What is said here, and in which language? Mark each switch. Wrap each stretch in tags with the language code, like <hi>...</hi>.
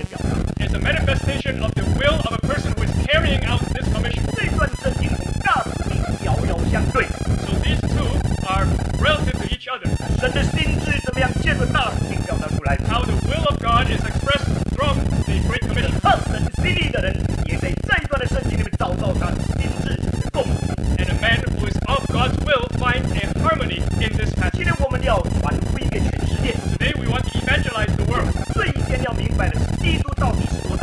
<en>Manifestation of the will of a person who is carrying out this commission.</en> <zh>这段圣经和大使命遥遥相对。</zh> <en>So these two are relative to each other.</en> <zh>神的心智怎么样借着大使命表达出来</zh> <en>？How the will of God is expressed from the Great Commission.</en> <zh>合神心意的人也在这一段的圣经里面找到他的心智的共鸣。</zh> <en>And a man who is of God's will finds a harmony in this passage.</en> <zh>今天我们要传福音给全世界。</zh> <en>Today we want to evangelize the world.</en> <zh>最先要明白的是基督到底是。</zh>